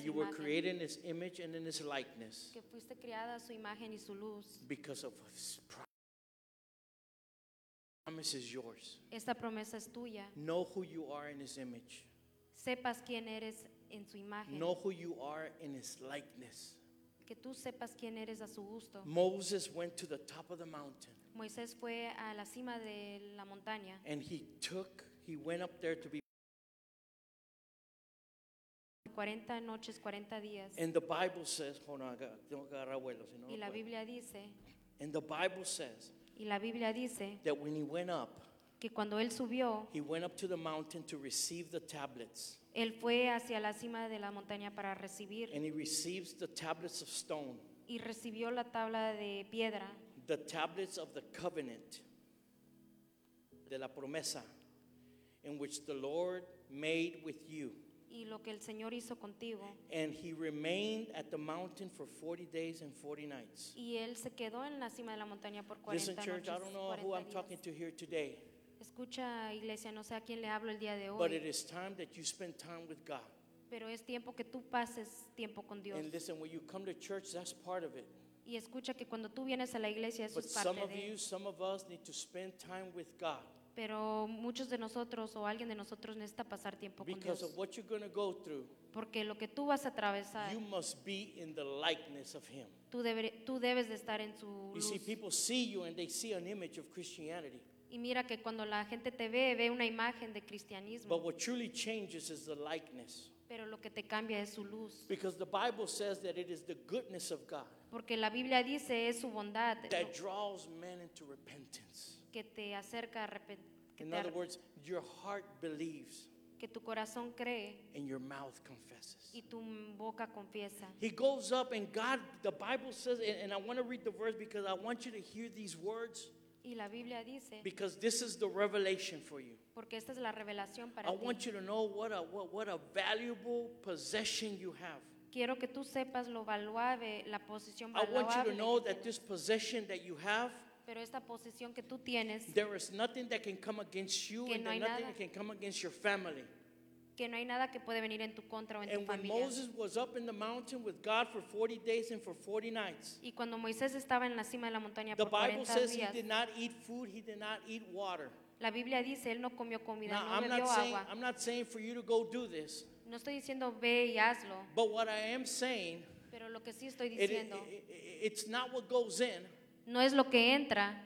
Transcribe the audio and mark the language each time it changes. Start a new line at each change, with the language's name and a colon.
English: that you were created in his image and in his likeness.
Spanish: Que fuiste creada a su imagen y su luz.
English: Because of his promise is yours.
Spanish: Esta promesa es tuya.
English: Know who you are in his image.
Spanish: Sepas quién eres en su imagen.
English: Know who you are in his likeness.
Spanish: Que tú sepas quién eres a su gusto.
English: Moses went to the top of the mountain.
Spanish: Moisés fue a la cima de la montaña.
English: And he went up there to be
Spanish: 40 noches, 40 días.
English: And the Bible says, hold on,
Spanish: tengo que agarrar vuelo, si no. Y la Biblia dice.
English: And the Bible says.
Spanish: Y la Biblia dice.
English: That when he went up.
Spanish: Que cuando él subió.
English: He went up to the mountain to receive the tablets.
Spanish: Él fue hacia la cima de la montaña para recibir.
English: And he receives the tablets of stone.
Spanish: Y recibió la tabla de piedra.
English: The tablets of the covenant.
Spanish: De la promesa.
English: In which the Lord made with you.
Spanish: Y lo que el Señor hizo contigo.
English: And he remained at the mountain for 40 days and 40 nights.
Spanish: Y él se quedó en la cima de la montaña por 40 noches.
English: Listen, church, I don't know who I'm talking to here today.
Spanish: Escucha, iglesia, no sé a quién le hablo el día de hoy.
English: But it is time that you spend time with God.
Spanish: Pero es tiempo que tú pases tiempo con Dios.
English: And listen, when you come to church, that's part of it.
Spanish: Y escucha que cuando tú vienes a la iglesia, eso es parte de.
English: But some of you, some of us need to spend time with God.
Spanish: Pero muchos de nosotros o alguien de nosotros necesita pasar tiempo
English: Because
Spanish: con Dios.
English: Of what you're going to go through,
Spanish: porque lo que tú vas a atravesar,
English: you must be in the likeness of him.
Spanish: Tú debes de estar en su luz.
English: You see, people see you and they see an image of Christianity.
Spanish: Y mira que cuando la gente te ve una imagen de cristianismo.
English: But what truly changes is the likeness.
Spanish: Pero lo que te cambia es su luz.
English: Because the Bible says that it is the goodness of God.
Spanish: Porque la Biblia dice es su bondad.
English: That draws men into repentance.
Spanish: Que te acerca a arrepentir.
English: In other words, your heart believes.
Spanish: Que tu corazón cree.
English: And your mouth confesses.
Spanish: Y tu boca confiesa.
English: He goes up and God, the Bible says, and I want to read the verse because I want you to hear these words.
Spanish: Y la Biblia dice.
English: Because this is the revelation for you.
Spanish: Porque esta es la revelación para ti.
English: I want you to know what a valuable possession you have.
Spanish: Quiero que tú sepas lo valuable, la posición valuable.
English: I want you to know that this possession that you have.
Spanish: Pero esta posición que tú tienes,
English: there is nothing that can come against you
Spanish: que no
English: and
Spanish: hay
English: nothing
Spanish: nada,
English: that can come against your family.
Spanish: Que no hay nada que puede venir en tu contra o en
English: and
Spanish: tu familia.
English: And when Moses was up in the mountain with God for 40 days and for 40 nights,
Spanish: y cuando Moisés estaba en la cima de la montaña por 40 días,
English: the Bible says he did not eat food, he did not eat water.
Spanish: La Biblia dice él no comió comida,
English: now,
Spanish: no bebió
English: not saying,
Spanish: agua.
English: I'm not saying for you to go do this.
Spanish: No estoy diciendo ve y hazlo.
English: But what I am saying,
Spanish: pero lo que sí estoy diciendo,
English: it's not what goes in. No es lo que entra,